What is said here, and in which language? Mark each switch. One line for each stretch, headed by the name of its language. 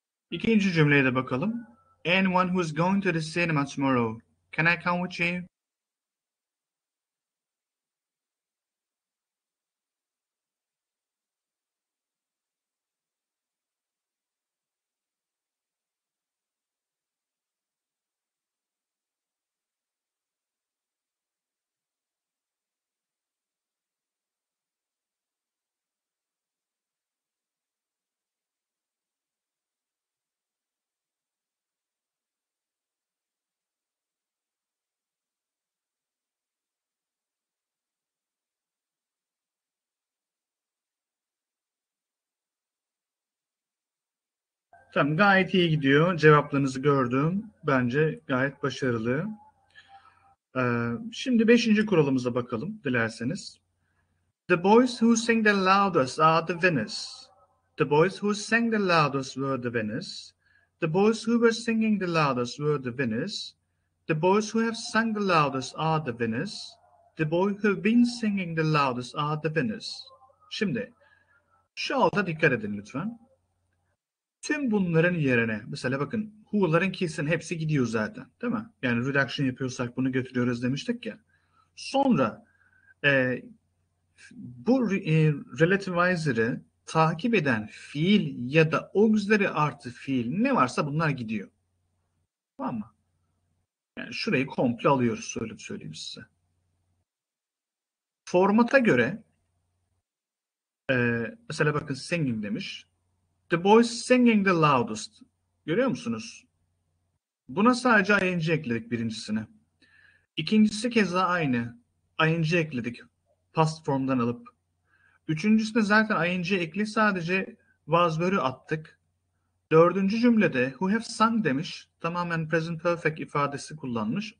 Turkish: İkinci cümleye de bakalım.
English: Anyone who's going to the cinema tomorrow, can I come with you?
Turkish: Tamam, gayet iyi gidiyor. Cevaplarınızı gördüm. Bence gayet başarılı. Şimdi beşinci kuralımıza bakalım, dilerseniz.
English: The boys who sang the loudest are the winners. The boys who sang the loudest were the winners. The boys who were singing the loudest were the winners. The boys who have sung the loudest are the winners. The boy who have been singing the loudest are the winners.
Turkish: Şimdi, şu alta dikkat edin lütfen. Tüm bunların yerine, mesela bakın, who'ların kesin hepsi gidiyor zaten, değil mi? Yani reduction yapıyorsak bunu götürüyoruz demiştik ya. Sonra bu relativizer'ı takip eden fiil ya da auxiliary artı fiil ne varsa bunlar gidiyor. Tamam mı? Yani şurayı komple alıyoruz, söyleyeyim size. Formata göre mesela bakın singing demiş.
English: The boys singing the loudest.
Turkish: Görüyor musunuz? Buna sadece ing ekledik birincisine. İkincisi keza aynı. Ing ekledik. Past form'dan alıp. Üçüncüsüne zaten ing ekli, sadece was verb'ü attık. Dördüncü cümlede who have sung demiş. Tamamen present perfect ifadesi kullanmış.